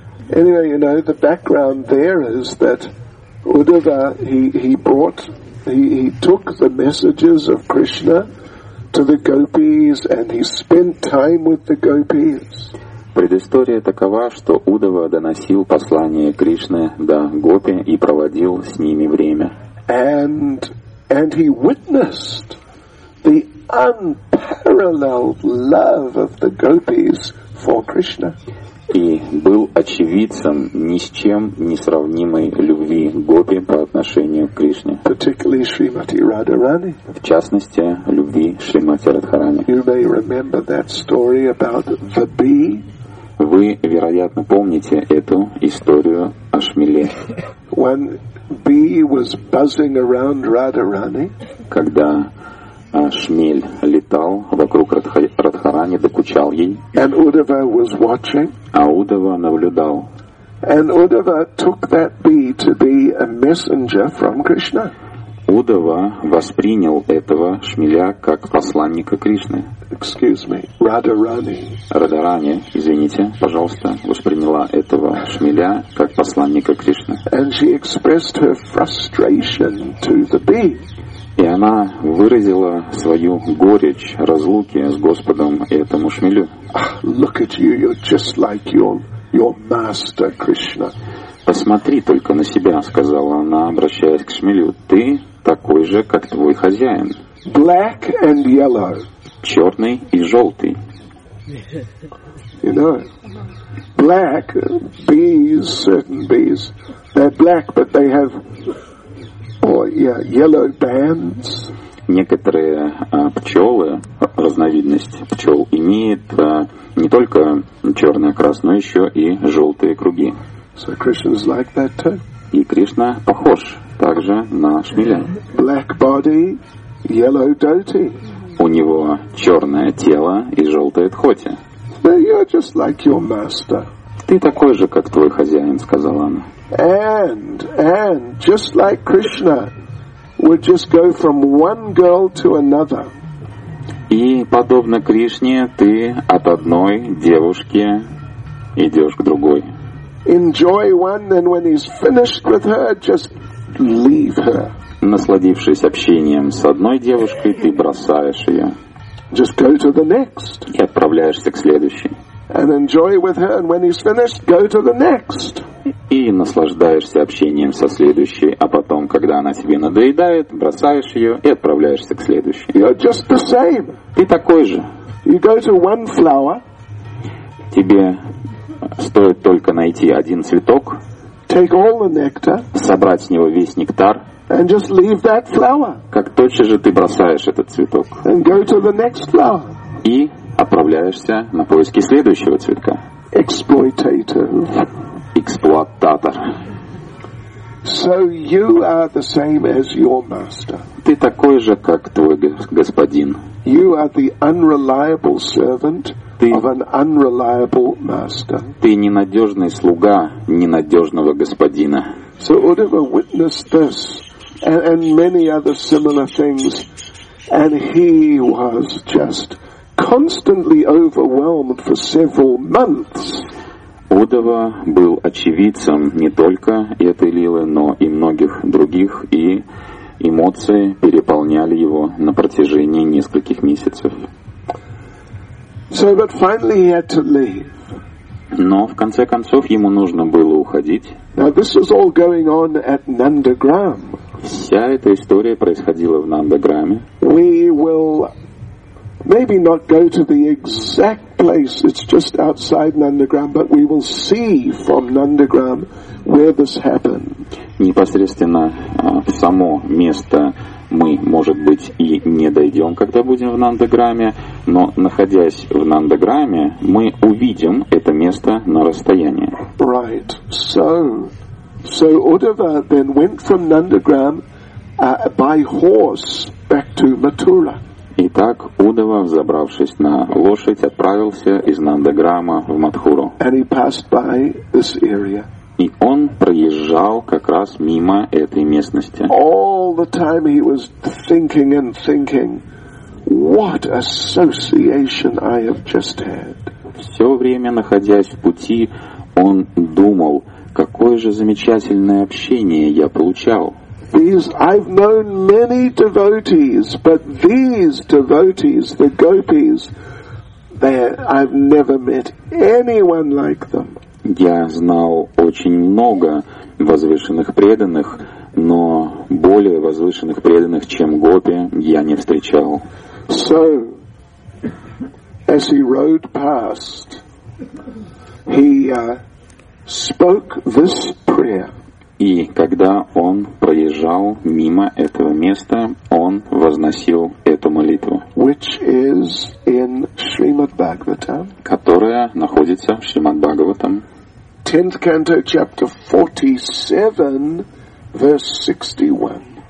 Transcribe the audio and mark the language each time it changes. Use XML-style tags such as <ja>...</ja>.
<en>Anyway, you know, the background there is that Uddhava, he took the messages of Krishna to the gopis and he spent time with the gopis.</en> <ru>Предыстория такова, что Уддхава доносил послание Кришны до гопи и проводил с ними время.</ru> <en>And he witnessed the unparalleled love of the gopis for Krishna.</en> <ru>И был очевидцем ни с чем не сравнимой любви гопи по отношению к Кришне.</ru> <en>Particularly Shrimati Radharani.</en> <ru>В частности, любви Шримати Радхарани.</ru> <en>You may remember that story about the bee.</en> <ru>Вы, вероятно, помните эту историю о шмеле.</ru> <en>When bee was buzzing around Radharani.</en> <ru>Когда шмель летал вокруг Радхарани, докучал ей.</ru> <en>And Uddhava was watching.</en> <ru>А Уддхава наблюдал.</ru> <en>And Uddhava took that bee to be a messenger from Krishna.</en> <ru>Уддхава воспринял этого шмеля как посланника Кришны.</ru> <en>Excuse me, Radharani.</en> <ru>Радхарани, извините, пожалуйста, восприняла этого шмеля как посланника Кришны.</ru> <en>And she expressed her frustration to the bee.</en> <ru>И она выразила свою горечь разлуки с Господом этому шмелю.</ru> <en>Look at you, you're just like your master Krishna.</en> <ru>Посмотри только на себя, сказала она, обращаясь к шмелю. Ты такой же, как твой хозяин.</ru> <en>Black and yellow.</en> <ru>Черный и желтый.</ru> <en>You know, black bees, certain bees, they're black, but they have yellow bands.</en> <ru>Некоторые пчелы, разновидность пчел, имеют не только черное, красное, но еще и желтые круги.</ru> <en>So Krishna's like that too.</en> <ru>И Кришна похож также на шмеля.</ru> <en>Black body, yellow dhoti.</en> <ru>У него черное тело и желтое дхоти.</ru> <en>You're just like your master.</en> <ru>Ты такой же, как твой хозяин, сказала она.</ru> <en>And just like Krishna would just go from one girl to another.</en> <ru>И подобно Кришне, ты от одной девушки идешь к другой.</ru> <en>Enjoy one, and when he's finished with her, just leave her.</en> <ru>Насладившись общением с одной девушкой, ты бросаешь ее.</ru> <en>Just go to the next.</en> <ru>И отправляешься к следующей.</ru> <en>And enjoy with her, and when he's finished, go to the next.</en> <ru>И наслаждаешься общением со следующей, а потом, когда она тебе надоедает, бросаешь ее и отправляешься к следующей.</ru> <en>You're just the same.</en> <ru>Ты такой же.</ru> <en>You go to one flower.</en> <ru>Тебе стоит только найти один цветок.</ru> <en>Take all the nectar.</en> <ru>Собрать с него весь нектар.</ru> <en>And just leave that flower.</en> <ru>Как тотчас же ты бросаешь этот цветок.</ru> <en>And go to the next flower.</en> <ru>И отправляешься на поиски следующего цветка.</ru> <en>Exploitative.</en> <ru>Эксплуататор.</ru> <en>So you are the same as your master.</en> <ru>Ты такой же, как твой господин.</ru> <en>You are the unreliable servant of an unreliable master.</en> <ru>Ты ненадежный слуга ненадежного господина.</ru> <en>So Uddhava witnessed this and many other similar things, and he was just constantly overwhelmed for several months.</en> <ru>Удава был очевидцем не только этой лилы, но и многих других, и эмоции переполняли его на протяжении нескольких месяцев.</ru> <en>So, but finally he had to leave.</en> <ru>Но в конце концов ему нужно было уходить.</ru> <en>Now, this was all going on at Nandagram.</en> <ru>Вся эта история происходила в Нандаграме.</ru> <en>We will maybe not go to the exact place. It's just outside Nandagram, but we will see from Nandagram where this happened.</en> <ru>Непосредственно в само место мы, может быть, и не дойдем, когда будем в Нандаграме, но находясь в Нандаграме, мы увидим это место на расстоянии.</ru> <en>Right. So Uddhava then went from Nandagram by horse back to Mathura.</en> <ru>Итак, Удава, взобравшись на лошадь, отправился из Нандаграма в Матхуру.</ru> <en>And he passed by this area.</en> <ru>И он проезжал как раз мимо этой местности.</ru> <en>All the time he was thinking and thinking, what association I have just had.</en> <ru>Все время находясь в пути, он думал, какое же замечательное общение я получал.</ru> <en>These I've known many devotees, but these devotees, the gopis, I've never met anyone like them.</en> <ru>Я знал очень много возвышенных преданных, но более возвышенных преданных, чем гопи, я не встречал.</ru> <en>So, as he rode past, he spoke this prayer.</en> <ru>И когда он проезжал мимо этого места, он возносил эту молитву,</ru> <en>which is in Shrimad Bhagavatam,</en> <ru>которая находится в Шримад Бхагаватам.</ru> <en>10th canto, chapter 47, verse 61.</en>